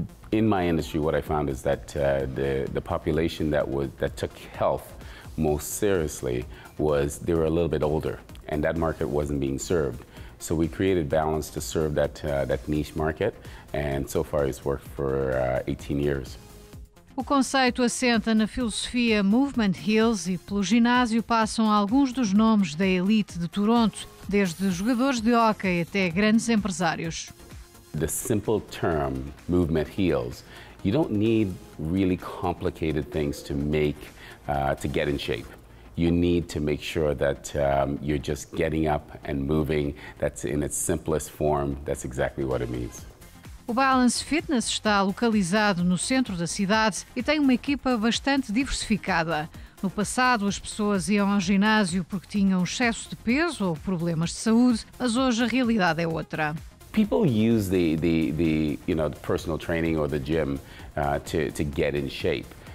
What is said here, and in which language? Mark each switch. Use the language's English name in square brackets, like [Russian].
[English] In my industry, what I found is that the population that took health most seriously was they were a little bit older, and that market wasn't being served. So we created Balance to serve that that niche market, and so far it's worked for 18 years. [Portuguese] O conceito assenta na filosofia Movement Heals e pelo ginásio passam alguns dos nomes da elite de Toronto, desde jogadores de hóquei até grandes empresários. [English] The simple term Movement Heals, you don't need really complicated things to make to get in shape. You need to make sure that you're just getting up and moving. That's in its simplest form. That's exactly what it means. [Portuguese] O Balance Fitness está localizado no centro da cidade e tem uma equipa bastante diversificada. No passado, as pessoas iam ao ginásio porque tinham excesso de peso ou problemas de saúde, mas hoje a realidade é outra. [English] People use the you know, the personal training or the gym to get in shape.